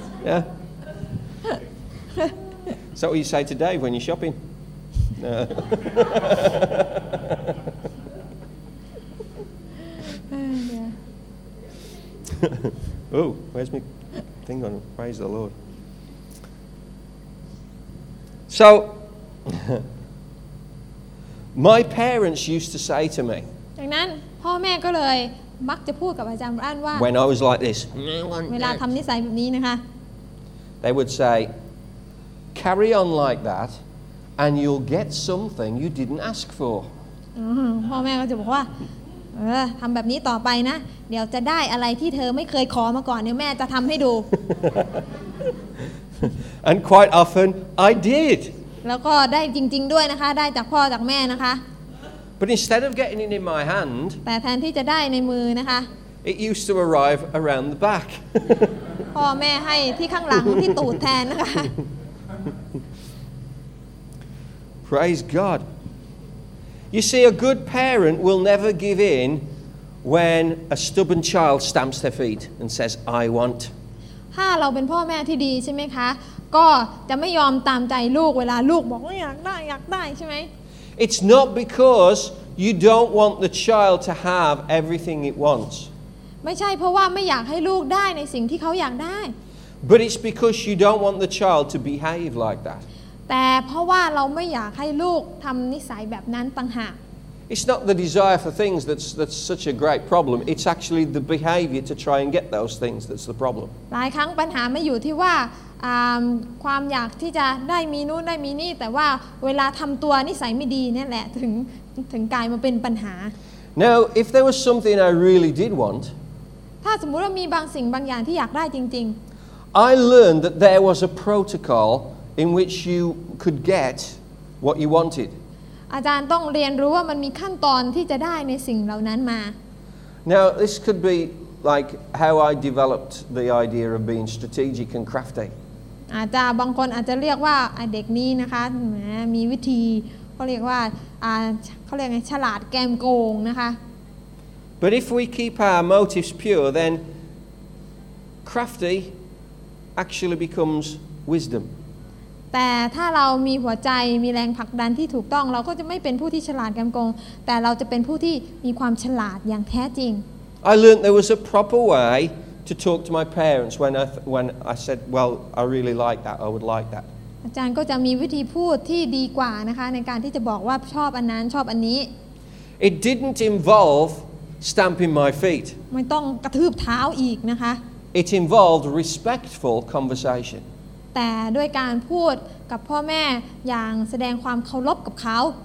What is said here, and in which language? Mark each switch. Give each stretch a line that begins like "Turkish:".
English: Yeah Is that what you say to Dave when you're shoppingOh, where's my thing on? Praise the Lord. So, my parents used to say to me.
Thai: ดังนั้นพ่อแม่ก็เลยมักจะพูดกับอาจารย์รันว่า
English: When I was like this.
Thai: เวลาทำนิสัยแบบนี้นะคะ
English: They would say, carry on like that. And you'll get something you didn't ask for.
Thai: พ่อแม่ก็จะบอกว่าทำแบบนี้ต่อไปนะเดี๋ยวจะได้อะไรที่เธอไม่เคยขอมาก่อนเดี๋ยวแม่จะทำให้ดู
English: And quite often I did.
Thai: แล้วก็ได้จริงๆด้วยนะคะได้จากพ่อจากแม่นะคะ
English: But instead of getting it in my hand,
Thai: แต่แทนที่จะได้ในมือนะคะ
English: It used to arrive around the back.
Thai: พ่อแม่ให้ที่ข้างหลังที่ตูดแทนนะคะ
English: Praise God. You see, a good parent will never give in when a stubborn child stamps their feet and says, "I want."
Thai: ถ้าเราเป็นพ่อแม่ที่ดีใช่ไหมคะก็จะไม่ยอมตามใจลูกเวลาลูกบอกว่าอยากได้อยากได้ใช่ไหม
English: It's not because you don't want the child to have everything it wants.
Thai: ไม่ใช่เพราะว่าไม่อยากให้ลูกได้ในสิ่งที่เขาอยากได้
English: But it's because you don't want the child to behave like that.
Thai: แต่เพราะว่าเราไม่อยากให้ลูกทำนิสัยแบบนั้นต่างหาก
English: It's not the desire for things that's such a great problem. It's actually the behavior to try and get those things that's the problem.
Thai: หลายครั้งปัญหาไม่อยู่ที่ว่าความอยากที่จะได้มีนู่นได้มีนี่แต่ว่าเวลาทำตัวนิสัยไม่ดีนี่แหละถึงกลายมาเป็นปัญหา
English: Now, if there was something I really did want,
Thai: ถ้าสมมติว่ามีบางสิ่งบางอย่างที่อยากได้จริง
English: ๆ I learned that there was a protocol. In which you could get what you wanted.
Thai: อาจารย์ต้องเรียนรู้ว่ามันมีขั้นตอนที่จะได้ในสิ่งเหล่านั้นมา
English: Now this could be like how I developed the idea of being strategic and crafty.
Thai: อาจารย์บางคนอาจจะเรียกว่าเด็กนี้นะคะมีวิธีเขาเรียกว่าเขาเรียกไงฉลาดแกมโกงนะคะ
English: But if we keep our motives pure, then crafty actually becomes wisdom.
Thai: แต่ถ้าเรามีหัวใจมีแรงผลักดันที่ถูกต้องเราก็จะไม่เป็นผู้ที่ฉลาดแกมโกงแต่เราจะเป็นผู้ที่มีความฉลาดอย่างแท้จริง
English: I learned there was a proper way to talk to my parents when I said, well, I really like that, I would like that.
Thai: อาจารย์ก็จะมีวิธีพูดที่ดีกว่านะคะในการที่จะบอกว่าชอบอันนั้นชอบอันนี้
English: It didn't involve stamping my feet.
Thai: ไม่ต้องกระทืบเท้าอีกนะคะ
English: It involved respectful conversation.
Thai: แต่ด้วยการพูดกับพ่อแม่อย่างแสดงความเคารพกับเขา